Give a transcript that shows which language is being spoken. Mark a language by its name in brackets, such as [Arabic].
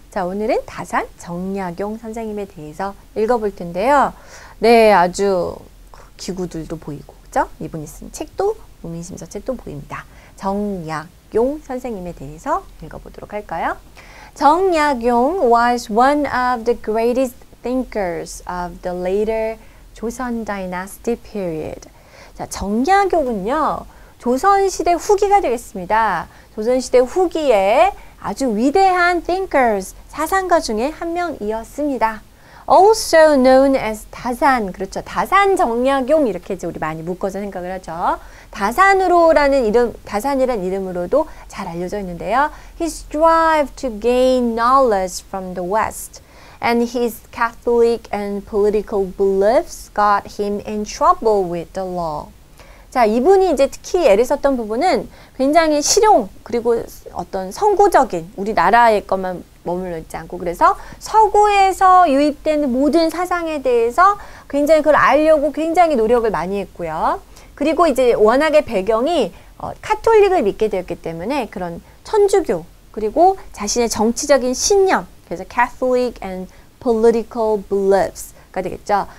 [Korean] 자, 오늘은 다산 정약용 선생님에 대해서 읽어볼 텐데요. 네, 아주 기구들도 보이고, 그죠? 이분이 쓴 책도, 무민심서 책도 보입니다. 정약용 선생님에 대해서 읽어보도록 할까요? [English] 정약용 was one of the greatest thinkers of the later Joseon Dynasty period. [Korean] 자, 정약용은요, 조선시대 후기가 되겠습니다. 조선시대 후기에 아주 위대한 [English] thinkers, [Korean] 사상가 중에 한 명이었습니다. [English] Also known as [Korean] 다산, 그렇죠. 다산 정약용 이렇게 이제 우리 많이 묶어서 생각을 하죠. 다산으로라는 이름, 다산이라는 이름으로도 잘 알려져 있는데요. [English] His drive to gain knowledge from the West and his Catholic and political beliefs got him in trouble with the law. [Korean] 자, 이분이 이제 특히 애를 썼던 부분은 굉장히 실용, 그리고 어떤 선구적인 우리나라의 것만 머물러 있지 않고, 그래서 서구에서 유입된 모든 사상에 대해서 굉장히 그걸 알려고 굉장히 노력을 많이 했고요. 그리고 이제 워낙에 배경이 카톨릭을 믿게 되었기 때문에 그런 천주교, 그리고 자신의 정치적인 신념, 그래서 [English] Catholic and political beliefs [Korean] 되겠죠.